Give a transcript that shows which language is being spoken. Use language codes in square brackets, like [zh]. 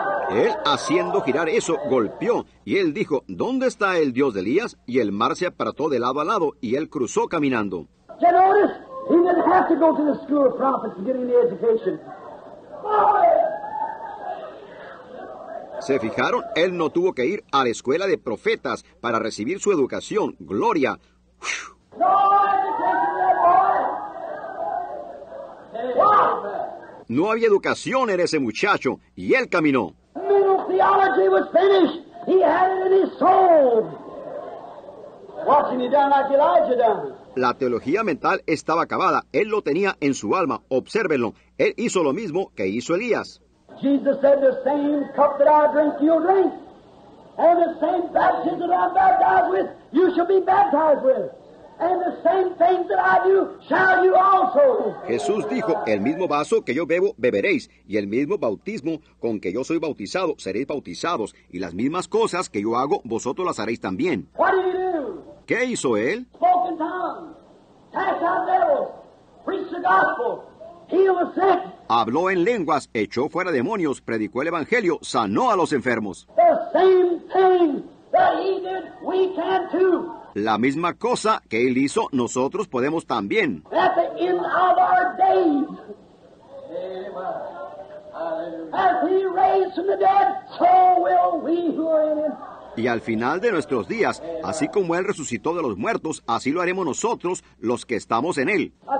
[es] Él, haciendo girar eso, golpeó. Y él dijo, ¿dónde está el Dios de Elías? Y el mar se apartó de lado a lado y él cruzó caminando. [en] He didn't have to go to the school of prophets to get any education. [es] ¿Se fijaron? Él no tuvo que ir a la escuela de profetas para recibir su educación. ¡Gloria! [en] No education there, boy. [es] No había educación en ese muchacho, y él caminó. [en] Middle theology was finished. He had it in his soul. Watching you down like Elijah down. [es] La teología mental estaba acabada. Él lo tenía en su alma. Obsérvenlo. Él hizo lo mismo que hizo Elías. [en] Jesus said, the same cup that I drink, you'll drink. And the same baptism that I'm baptized with, you shall be baptized with. And the same thing that I do, shall you also. [es] Jesús dijo, el mismo vaso que yo bebo, beberéis. Y el mismo bautismo con que yo soy bautizado, seréis bautizados. Y las mismas cosas que yo hago, vosotros las haréis también. [en] What did he do? [es] ¿Qué hizo él? [en] Spoke in tongues, cast out devils, preached the gospel, healed the sick. [es] Habló en lenguas, echó fuera demonios, predicó el evangelio, sanó a los enfermos. [en] The same thing that he did, we can too. [es] La misma cosa que él hizo, nosotros podemos también. [en] At the end of our days. Amen. As he raised from the dead, so will we who are in him. [es] Y al final de nuestros días, así como Él resucitó de los muertos, así lo haremos nosotros, los que estamos en Él.